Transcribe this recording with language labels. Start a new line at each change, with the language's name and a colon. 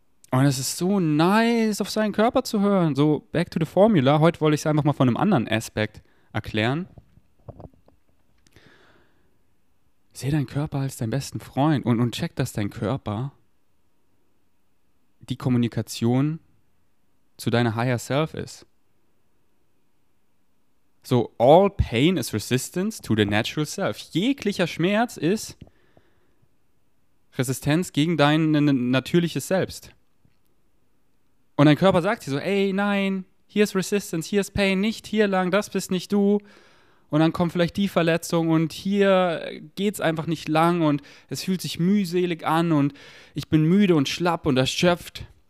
German: Und es ist so nice, auf seinen Körper zu hören,
English: so back to the formula,
German: heute wollte ich es einfach mal von einem anderen Aspekt erklären. Seh deinen Körper als deinen besten Freund und check, dass dein Körper die Kommunikation zu deiner higher self ist.
English: So, all pain is resistance to the natural self.
German: Jeglicher Schmerz ist Resistenz gegen dein natürliches Selbst. Und dein Körper sagt dir so, ey, nein, hier ist Resistance, hier ist Pain, nicht hier lang, das bist nicht du. Und dann kommt vielleicht die Verletzung und hier geht's einfach nicht lang und es fühlt sich mühselig an und ich bin müde und schlapp und erschöpft.